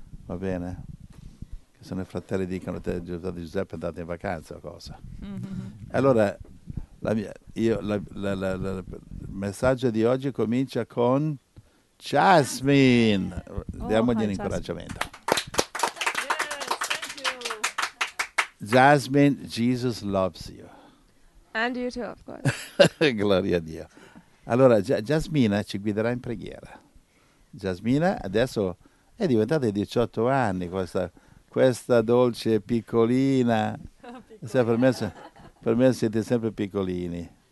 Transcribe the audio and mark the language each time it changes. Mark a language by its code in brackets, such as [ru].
[it] Va bene? Che se no i fratelli dicono, te, Giuseppe, andate in vacanza o cosa. Mm-hmm. Allora, il messaggio di oggi comincia con Jasmine. Diamogli un incoraggiamento. [en] Jasmine, Jesus loves you. And you too, of course. [it] Gloria a Dio. Allora, Jasmina ci guiderà in preghiera. Jasmina adesso è diventata 18 anni, questa dolce piccolina. Piccolina. Per me siete sempre piccolini.